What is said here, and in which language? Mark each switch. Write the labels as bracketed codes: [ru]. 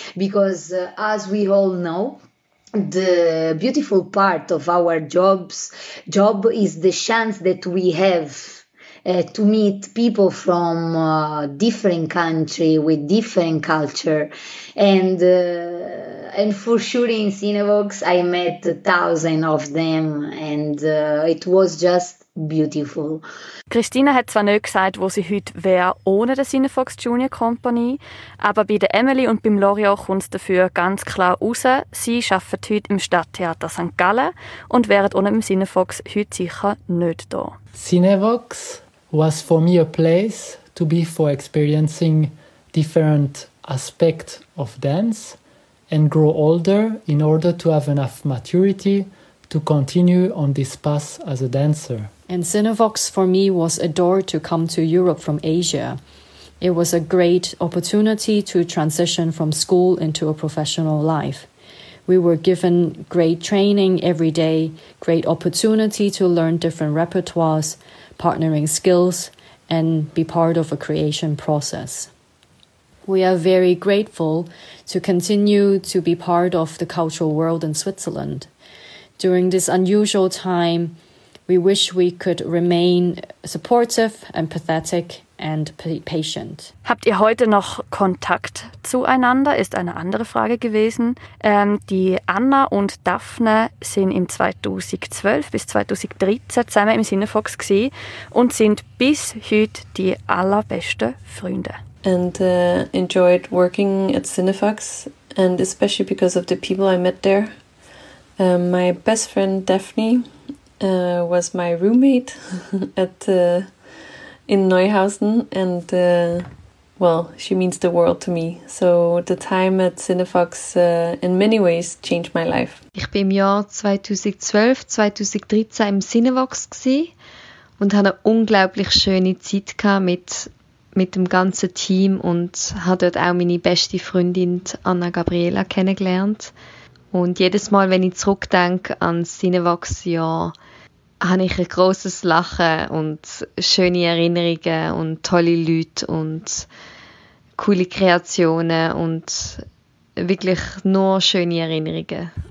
[en] Because as we all know, the beautiful part of our job is the chance that we have to meet people from different country with different culture. And for sure in Sinnefox, I met thousands of them and it was just beautiful. [de] Christina hat zwar nicht gesagt, wo sie heute wäre ohne der Sinnefox Junior Company, aber bei der Emily und beim Lorio kommt es dafür ganz klar raus. Sie arbeiten heute im Stadttheater St. Gallen und wären ohne dem Sinnefox heute sicher nicht da. [en] Sinnefox was for me a place to be for experiencing different aspects of dance and grow older in order to have enough maturity to continue on this path as a dancer. And Sinnefox for me was a door to come to Europe from Asia. It was a great opportunity to transition from school into a professional life. We were given great training every day, great opportunity to learn different repertoires, partnering skills and be part of a creation process. We are very grateful to continue to be part of the cultural world in Switzerland. During this unusual time, we wish we could remain supportive, empathetic and patient. [de] Habt ihr heute noch Kontakt zueinander? Ist eine andere Frage gewesen. Die Anna und Daphne sind im 2012 bis 2013 zusammen im Sinnefox gsi und sind bis heute die allerbesten Freunde. [en] and enjoyed working at Cinefax, and especially because of the people I met there. My best friend Daphne was my roommate at in Neuhausen, and well, she means the world to me. So the time at Cinefax in many ways changed my life. [de] Ich bin im Jahr 2012, 2013 im Cinefax gsi und hatte eine unglaublich schöne Zeit mit dem ganzen Team und habe dort auch meine beste Freundin Anna Gabriela kennengelernt. Und jedes Mal, wenn ich zurückdenke an das Cinefax-Jahr, habe ich ein grosses Lachen und schöne Erinnerungen und tolle Leute und coole Kreationen und wirklich nur schöne Erinnerungen.